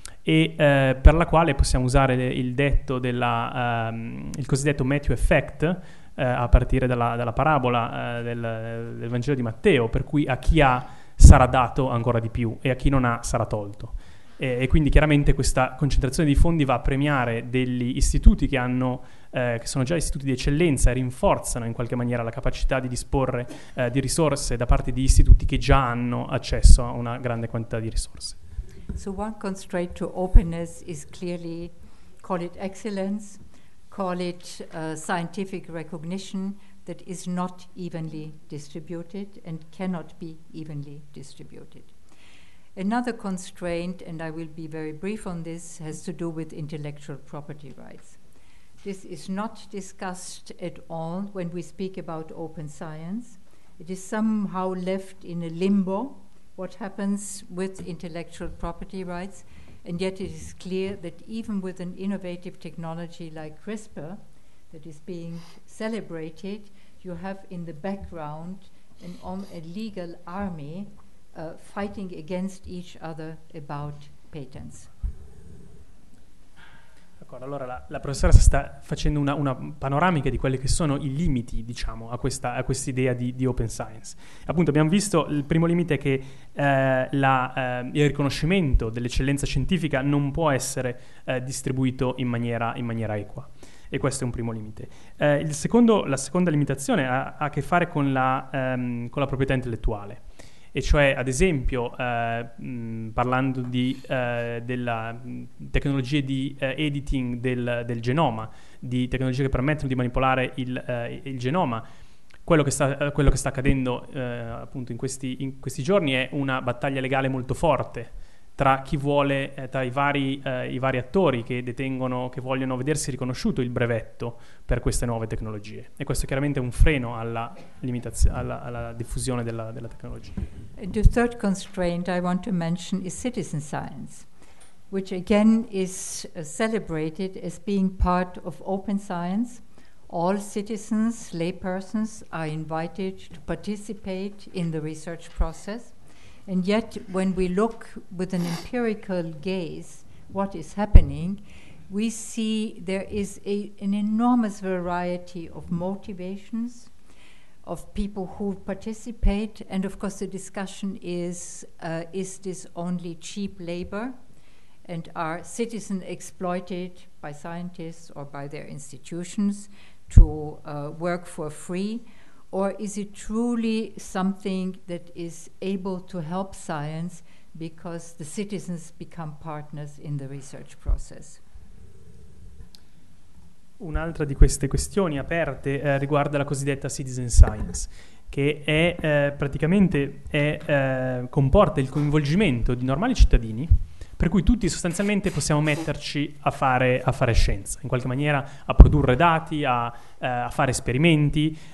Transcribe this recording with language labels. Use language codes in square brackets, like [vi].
[it] e per la quale possiamo usare il detto il cosiddetto Matthew Effect, a partire dalla parabola del Vangelo di Matteo, per cui a chi ha sarà dato ancora di più e a chi non ha sarà tolto. E quindi chiaramente questa concentrazione di fondi va a premiare degli istituti che sono già istituti di eccellenza e rinforzano in qualche maniera la capacità di disporre di risorse da parte di istituti che già hanno accesso a una grande quantità di risorse. [en] So one constraint to openness is clearly, call it excellence, call it scientific recognition that is not evenly distributed and cannot be evenly distributed. Another constraint, and I will be very brief on this, has to do with intellectual property rights. This is not discussed at all when we speak about open science. It is somehow left in a limbo, what happens with intellectual property rights. And yet it is clear that even with an innovative technology like CRISPR that is being celebrated, you have in the background a legal army fighting against each other about patents. [it] D'accordo, allora la professoressa sta facendo una panoramica di quelli che sono i limiti, diciamo, a questa idea di open science. Appunto, abbiamo visto il primo limite è che il riconoscimento dell'eccellenza scientifica non può essere distribuito in maniera equa, e questo è un primo limite. La seconda limitazione ha a che fare con la proprietà intellettuale. E cioè, ad esempio, parlando della tecnologie di editing del genoma, di tecnologie che permettono di manipolare il genoma, quello che sta accadendo appunto in questi giorni è una battaglia legale molto forte tra chi vuole, tra i vari attori che detengono, che vogliono vedersi riconosciuto il brevetto per queste nuove tecnologie. E questo è chiaramente un freno alla diffusione della tecnologia. [en] The third constraint I want to mention is citizen science, which again is celebrated as being part of open science. All citizens, laypersons, are invited to participate in the research process. And yet, when we look with an empirical gaze what is happening, we see there is an enormous variety of motivations of people who participate. And of course, the discussion is this only cheap labor? And are citizens exploited by scientists or by their institutions to work for free? Or is it truly something that is able to help science because the citizens become partners in the research process? [it] Un'altra di queste questioni aperte riguarda la cosiddetta citizen science, che è praticamente comporta il coinvolgimento di normali cittadini, per cui tutti sostanzialmente possiamo metterci a fare scienza, in qualche maniera a produrre dati, a fare esperimenti.